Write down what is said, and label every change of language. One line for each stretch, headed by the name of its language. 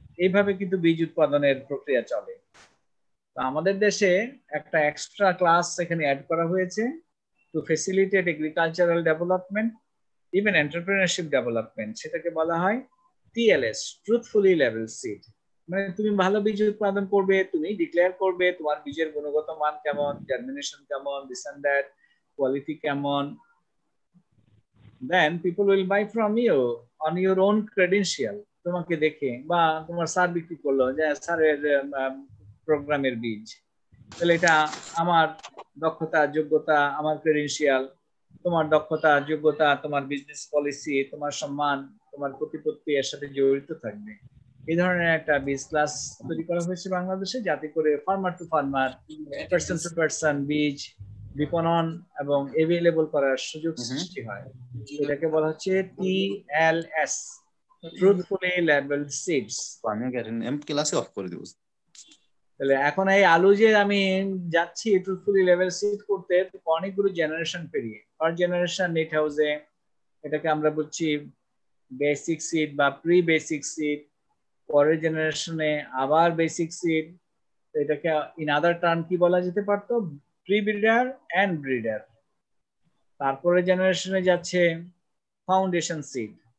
Bangla: এইভাবে কিন্তু বীজ উৎপাদনের প্রক্রিয়া চলে। তো আমাদের দেশে একটা এক্সট্রা ক্লাস এখানে অ্যাড করা হয়েছে
English: to facilitate agricultural development, even entrepreneurship development,
Bangla: সেটাকে বলা হয় TLS, ট্রুথফুলি লেভেল সিড। মানে তুমি ভালো বীজ উৎপাদন করবে, তুমি ডিক্লেয়ার করবে তোমার বীজের গুণগত মান কেমন, জার্মিনেশন কেমন, দিস অ্যান্ড দ্যাট, কোয়ালিটি কেমন,
English: then people will buy from you on your own credential.
Bangla: তোমাকে দেখে বা তোমার স্যার বিক্রি করলো যে স্যারের প্রোগ্রামের বীজ, তাহলে এটা আমার দক্ষতা যোগ্যতা আমার ক্রেডেনশিয়াল, তোমার দক্ষতা যোগ্যতা তোমার বিজনেস পলিসি তোমার সম্মান তোমার প্রতিপত্তি এর সাথে জড়িত থাকবে। এই ধরনের একটা বীজ ক্লাস তৈরি করা হয়েছে বাংলাদেশে, যাতে করে farmer two farmer person to person বীজ বিপণন এবং এভেলেবল করার সুযোগ সৃষ্টি হয়। এটাকে বলা হচ্ছে TLS Truthfully labeled seeds. আমি গেরিন এম ক্লাসে অফ করে দিব। তাহলে এখন এই আলু যে আমি যাচ্ছি ট্রুথফুলি লেভেল সিড করতে, অনেকগুলো জেনারেশন পেরিয়ে পার জেনারেশন নিট হাউসে এটাকে আমরা বলছি বেসিক সিড বা প্রি বেসিক সিড, পরের জেনারেশনে আবার বেসিক সিড, এটাকে
English: in other term
Bangla: কি বলা যেতে পারতো প্রি ব্রিডার অ্যান্ড ব্রিডার, তারপরে জেনারেশনে যাচ্ছে ফাউন্ডেশন সিড।